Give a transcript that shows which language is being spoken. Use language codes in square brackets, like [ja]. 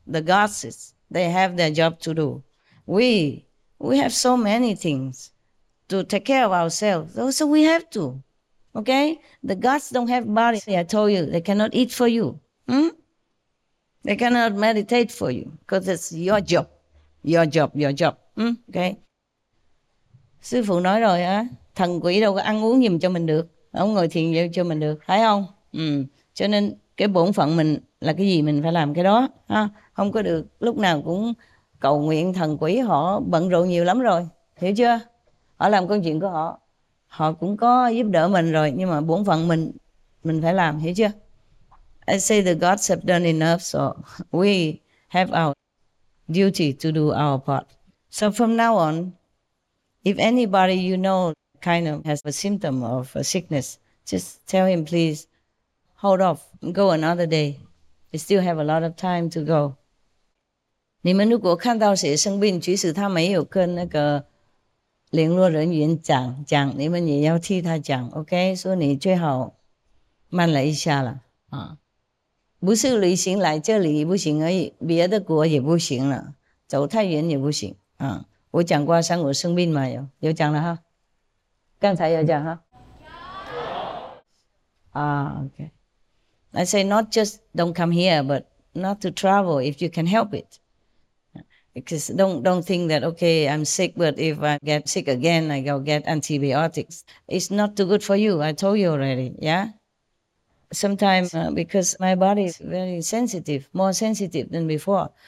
[en] The gods, they have their job to do. We have so many things to take care of ourselves. So we have to, okay? The gods don't have bodies. I told you, they cannot eat for you. They cannot meditate for you because it's your job, your job, your job. Okay. [vi] Sư phụ nói rồi á, thần quỷ đâu có ăn uống giùm cho mình được, không ngồi thiền giùm cho mình được, phải không? Cho nên cái bổn phận mình là cái gì mình phải làm cái đó. Ha? Không có được lúc nào cũng cầu nguyện thần quỷ, họ bận rộn nhiều lắm rồi, hiểu chưa? Họ làm công chuyện của họ, họ cũng có giúp đỡ mình rồi, nhưng mà bổn phận mình phải làm, hiểu chưa? [en] I say the gods have done enough, so we have our duty to do our part. So from now on, if anybody you know kind of has a symptom of a sickness, just tell him, please, hold off, go another day. We still have a lot of time to go. [zh] 你们如果看到谁生病，即使他没有跟那个联络人员讲，你们也要替他讲 ，OK？说你最好慢了一下了啊。不是旅行来这里不行而已，别的国也不行了，走太远也不行啊。我讲过三国生病嘛，有讲了哈，刚才有讲哈。有。 [en] Okay. I say not just don't come here, but not to travel if you can help it. Because don't think that okay, I'm sick, but if I get sick again, I go get antibiotics. It's not too good for you. I told you already, yeah. Sometimes because my body is very sensitive, more sensitive than before.